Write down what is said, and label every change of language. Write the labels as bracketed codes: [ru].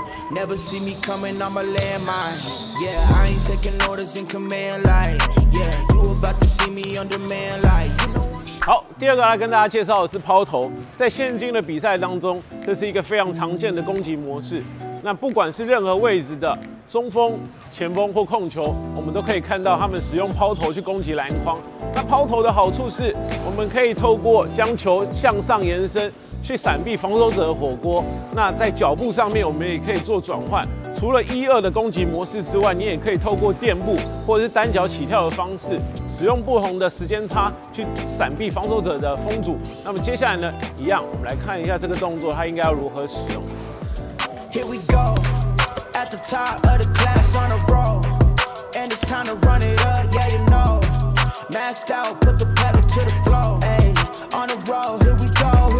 [en] Never see me coming on my landmine. Yeah, I ain't taking orders in command line. Yeah, you about to see me on demand line. [zh] 好，第二个来跟大家介绍的是抛投。在现今的比赛当中，这是一个非常常见的攻击模式。那不管是任何位置的中锋、前锋或控球，我们都可以看到他们使用抛投去攻击篮筐。那抛投的好处是，我们可以透过将球向上延伸，去闪避防守者的火锅。那在脚步上面，我们也可以做转换，除了一二的攻击模式之外，你也可以透过垫步或者是单脚起跳的方式，使用不同的时间差去闪避防守者的封阻。那么接下来呢，一样我们来看一下这个动作它应该要如何使用。 [en] Here we go at the top of the class on a roll and it's time to run it up, yeah you know maxed out, put the pedal to the floor ay, on a roll, here we go.